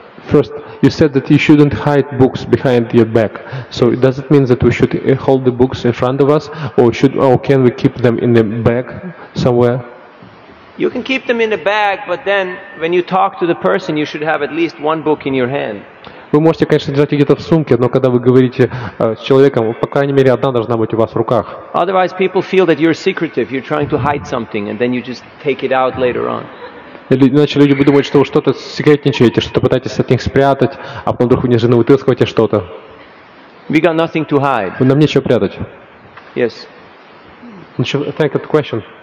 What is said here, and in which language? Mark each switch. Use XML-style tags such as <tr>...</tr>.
<en>First, you said that you shouldn't hide books behind your back. So does it mean that we should hold the books in front of us, or can we keep them in the bag somewhere? You can keep them in the bag, but then when you talk to the person, you should have at least one book in your hand.</en> <ru>Вы можете, конечно, держать их где-то в сумке, но когда вы говорите с человеком, по крайней мере, одна должна быть у вас в руках.</ru> <en>Otherwise, people feel that you're secretive, you're trying to hide something, and then you just take it out later on.</en> <ru>Иначе люди будут думать, что вы что-то секретничаете, что-то пытаетесь от них спрятать, а потом вдруг внезапно вытаскиваете что-то.</ru> <en>We got nothing to hide.</en> <ru>Нам нечего прятать.</ru> <en>Yes. Thank you for the question.</en>